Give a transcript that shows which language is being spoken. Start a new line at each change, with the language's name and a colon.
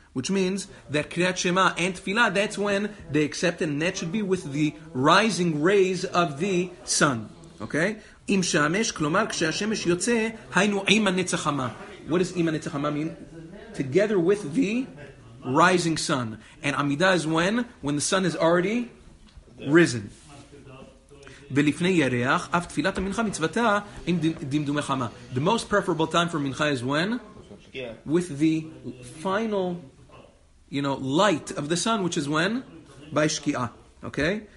English: Which means that Kriyat Shema and Tefillah, that's when they accept it, and that should be with the rising rays of the sun. Okay? Im Shamesh, klomar, kshashemesh yotze, haynu ima Netzach Hamah. What does ima Netzach Hamah mean? Together with the rising sun. And Amidah is when? When the sun is already risen.
Hebrew: ולפני ירח, אף תפילת המנחה מצוותה עם דמדומי חמה.
English: The most preferable time for mincha is when? Yeah. With the final, you know, light of the sun, which is when? By שקיעה. Okay?